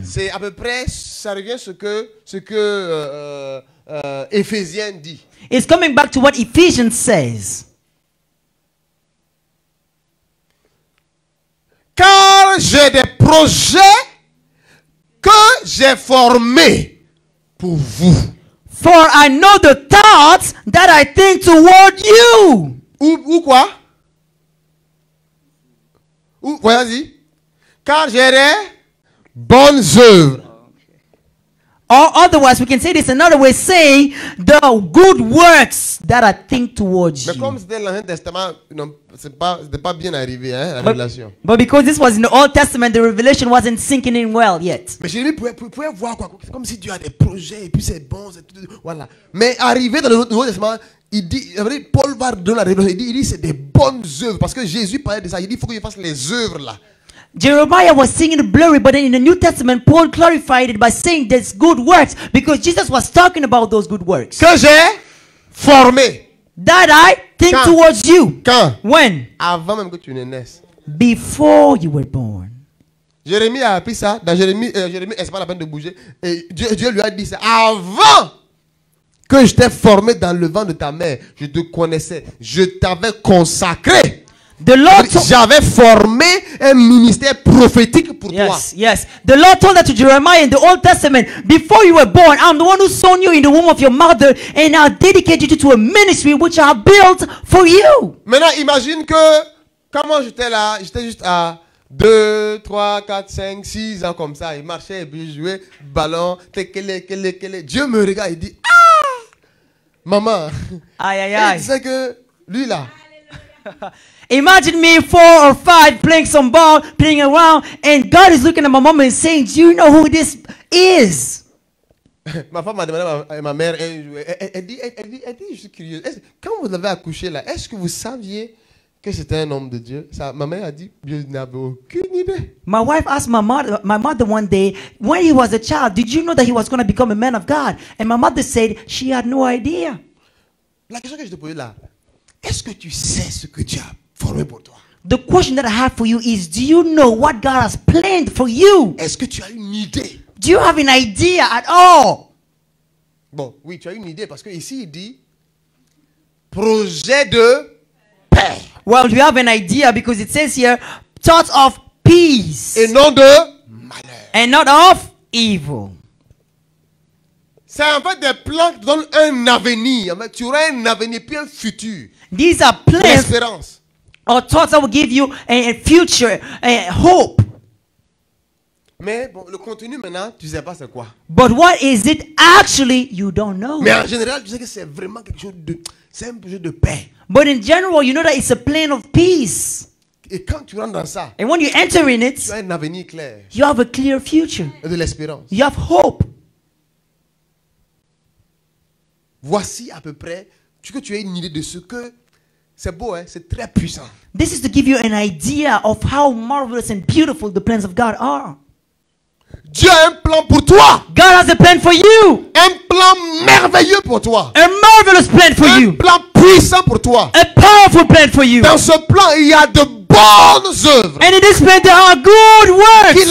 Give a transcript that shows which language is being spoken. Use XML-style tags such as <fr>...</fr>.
<fr>C'est à peu près, ça revient à ce que Ephésiens dit.</fr> <en>It's coming back to what Ephesians says.</en> <fr>Car j'ai des projets que j'ai formés pour vous.</fr> <en>For I know the thoughts that I think toward you.</en> <fr>Ou quoi? Ou quoi, vas-y? Car j'ai des bonnes œuvres.</fr> <en>Or otherwise, we can say this another way, saying the good works that I think towards you.</en> <fr>Mais comme c'était l'Ancien Testament, non, c'est pas bien arrivé, hein, la révélation.</fr> <en>But because this was in the Old Testament, the revelation wasn't sinking in well yet.</en> <fr>Mais Jérémie pouvait voir quoi, c'est comme si Dieu a des projets et puis c'est bon, c'est tout, voilà. Mais arrivé dans le Nouveau Testament, Paul va donner la révélation, il dit c'est des bonnes œuvres, parce que Jésus parlait de ça, il dit il faut que je fasse les œuvres là.</fr> <en>Jeremiah was seeing it blurry, but then in the New Testament, Paul clarified it by saying there's good works because Jesus was talking about those good works.</en> <fr>Que j'ai formé.</fr> <en>That I think</en> <fr>quand,</fr> <en>towards you.</en> <fr>Quand?</fr> <en>When?</en> <fr>Avant même que tu ne naisses.</fr> <en>Before you were born.</en> <fr>Jérémie a appris ça. Dans Jérémie, c'est pas la peine de bouger. Et Dieu lui a dit ça. Avant que je t'ai formé dans le ventre de ta mère, je te connaissais. Je t'avais consacré.</fr> <en>The Lord</en> <fr>j'avais formé un ministère prophétique pour</fr> <en>yes,</en> <fr>toi.</fr> <en>Yes. The Lord told that to Jeremiah in the Old Testament, before you were born, I'm the one who sown you in the womb of your mother and I dedicated you to a ministry which I built for you.</en> <fr>Maintenant imagine que quand moi j'étais là, j'étais juste à 2 3 4 5 6 ans comme ça, il marchait, il jouait ballon, tekele. Dieu me regarde et dit ah maman. Aïe aïe aïe. Tu sais que lui là.</fr> <en>Imagine me 4 or 5 playing some ball, playing around, and God is looking at my mom and saying, "Do you know who this is?"</en> <fr>Ma femme m'a demandé ma mère elle dit, je suis curieuse. Quand vous l'avez accouché là, est-ce que vous saviez que c'était un homme de Dieu? Ma mère a dit, je n'avais aucune idée.</fr> <en>My wife asked my mother one day, when he was a child, did you know that he was going to become a man of God? And my mother said she had no idea.</en> <fr>La question que je te posais là, est-ce que tu sais ce que Dieu a formé pour toi?</fr> <en>The question that I have for you is, do you know what God has planned for you?</en> <fr>Est-ce que tu as une idée?</fr> <en>Do you have an idea at all?</en> <fr>Bon, oui, tu as une idée parce que ici il dit projet de paix.</fr> <en>Well, you have an idea because it says here thought of peace.</en> <fr>Et non de malheur.</fr> <en>And not of evil.</en> <fr>C'est en fait des plans qui donnent un avenir. Tu auras un avenir puis un futur.</fr> <en>These are plans or thoughts that will give you a future, a hope.</en> <fr>Mais bon, le contenu maintenant, tu sais pas c'est quoi.</fr> <en>But what is it actually? You don't know.</en> <fr>Mais en général, tu sais que c'est vraiment quelque chose de, c'est un projet de paix.</fr> <en>But in general, you know that it's a plan of peace.</en> <fr>Et quand tu rentres dans ça,</fr> <en>and when you enter in it,</en> <fr>tu as un avenir clair.</fr> <en>You have a clear future.</en> <fr>Et de l'espérance.</fr> <en>You have hope.</en> <fr>Voici à peu près. Tu que tu aies une idée de ce que c'est beau hein, c'est très puissant.</fr> <en>This is to give you an idea of how marvelous and beautiful the plans of God are.</en> <fr>Dieu a un plan pour toi.</fr> <en>God has a plan for you.</en> <fr>Un plan merveilleux pour toi.</fr> <en>A marvelous plan for you.</en> <fr>Un plan puissant pour toi.</fr> <en>A powerful plan for you.</en> <fr>Dans ce plan, il y a de bonnes œuvres.</fr> <en>And in this plan, there are good works.</en>